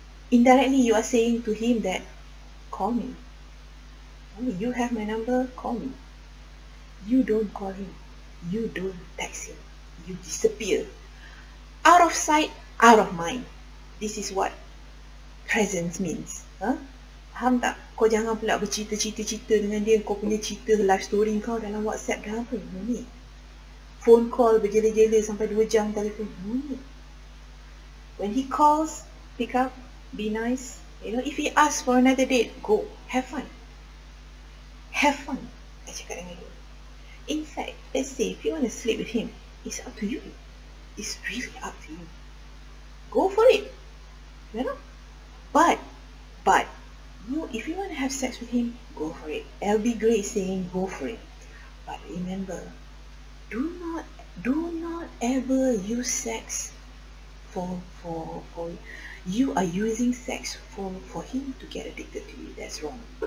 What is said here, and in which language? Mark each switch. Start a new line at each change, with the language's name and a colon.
English: Indirectly, you are saying to him that, call me. You have my number, call me. You don't call him. You don't text him. You disappear. Out of sight, out of mind. This is what presence means.
Malay: Faham tak? Kau jangan pula bercerita-cerita dengan dia. Kau punya cerita life story kau dalam WhatsApp dah apa? Bunyi. Phone call berjela-jela sampai 2 jam telefon. Bunyi.
English: When he calls, pick up, be nice, You know, if he asks for another date, go, have fun. Have fun, I
Malay: cakap dengan dia.
English: In fact, let's say if you want to sleep with him, it's up to you. It's really up to you. Go for it. You know? But, you, if you want to have sex with him, go for it. It'll be great saying go for it. But remember, do not ever use sex for you are using sex for him to get addicted to you. That's wrong.